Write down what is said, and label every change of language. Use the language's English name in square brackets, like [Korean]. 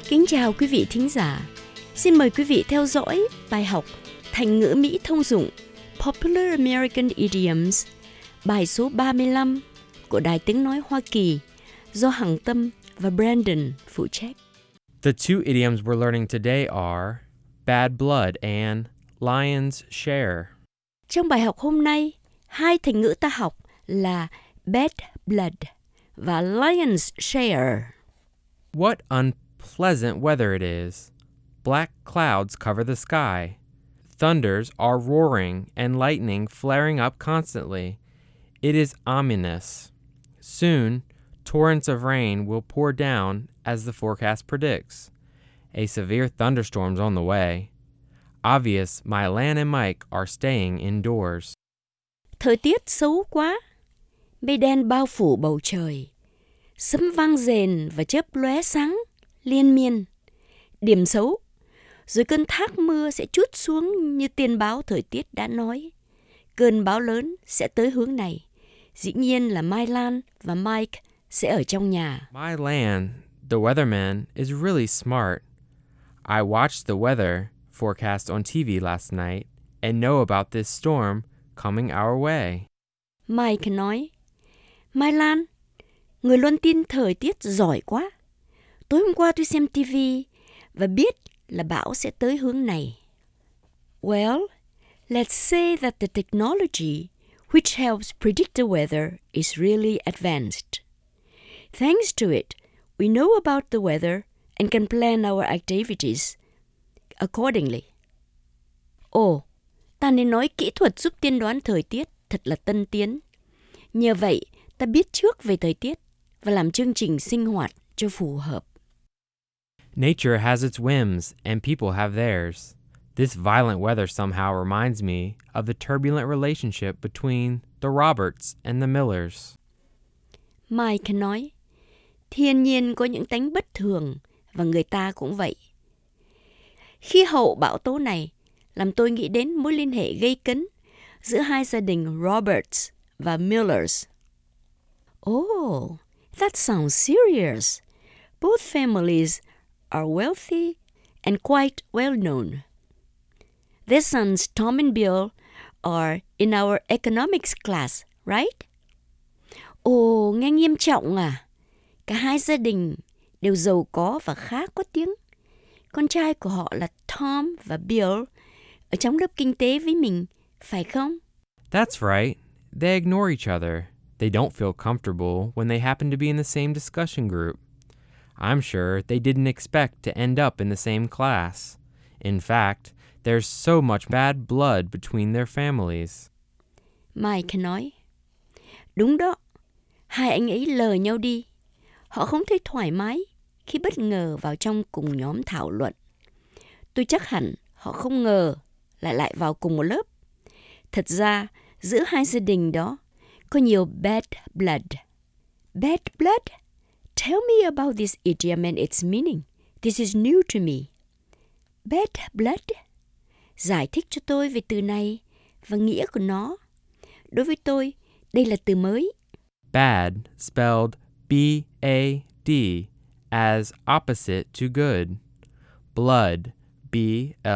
[Vietnamese] chào quý vị thính giả. Xin mời quý vị theo dõi bài học Thành ngữ Mỹ thông dụng [English] Popular American Idioms, [Vietnamese] bài số 35 của Đài Tiếng Nói Hoa Kỳ do Hằng Tâm và Brandon phụ trách. [English] The two idioms we're learning today are bad blood and lion's share. [Vietnamese] Trong bài học hôm nay, hai thành ngữ ta học là bad blood và lion's share. [English] What unpleasant weather it is. Black clouds cover the sky. Thunders are roaring and lightning flaring up constantly. It is ominous. Soon, torrents of rain will pour down as the forecast predicts. A severe thunderstorm's on the way. Obvious, my Lan and Mike are staying indoors. [Vietnamese] Thời tiết xấu quá. Mây đen bao phủ bầu trời. Sấm vang rền và chớp lóe sáng, liên miên. Điểm xấu. Rồi cơn thác mưa sẽ trút xuống như tiên báo thời tiết đã nói. Cơn bão lớn sẽ tới hướng này. Dĩ nhiên là Mai Lan và Mike sẽ ở trong nhà. [English] Mai Lan, the weatherman, is really smart. I watched the weather forecast on TV last night and know about this storm coming our way. [Vietnamese] Mike nói, Mai Lan, người luôn tin thời tiết giỏi quá. Tối hôm qua tôi xem TV và biết là bão sẽ tới hướng này. [English] Well, let's say that the technology which helps predict the weather is really advanced. Thanks to it, we know about the weather and can plan our activities accordingly. [Vietnamese] Oh, ta nên nói kỹ thuật giúp tiên đoán thời tiết thật là tân tiến. Nhờ vậy, ta biết trước về thời tiết và làm chương trình sinh hoạt cho phù hợp. [English] Nature has its whims, and people have theirs. This violent weather somehow reminds me of the turbulent relationship between the Roberts and the Millers. [Vietnamese] Mike nói, thiên nhiên có những tánh bất thường, và người ta cũng vậy. Khí hậu bão tố này làm tôi nghĩ đến mối liên hệ gây cấn giữa hai gia đình Roberts và Millers. [English] Oh, that sounds serious. Both families are wealthy and quite well known. Their sons Tom and Bill are in our economics class, right? [Vietnamese] Oh, nghe nghiêm trọng à. Cả hai gia đình đều giàu có và khá có tiếng. Con trai của họ là Tom và Bill ở trong lớp kinh tế với mình, phải không? [English] That's right. They ignore each other. They don't feel comfortable when they happen to be in the same discussion group. I'm sure they didn't expect to end up in the same class. In fact, there's so much bad blood between their families. [Vietnamese] Mike nói, đúng đó, hai anh ấy lờ nhau đi. Họ không thấy thoải mái khi bất ngờ vào trong cùng nhóm thảo luận. Tôi chắc hẳn họ không ngờ lại vào cùng một lớp. Thật ra, giữa hai gia đình đó có nhiều bad blood. [English] Bad blood? Tell me about this idiom and its meaning. This is new to me. Bad blood? [Vietnamese] Giải thích cho tôi về từ này và nghĩa của nó. Đối với tôi, đây là từ mới. [English] Bad, spelled B-A-D, as opposite to good. Blood, B-L-O-O-D.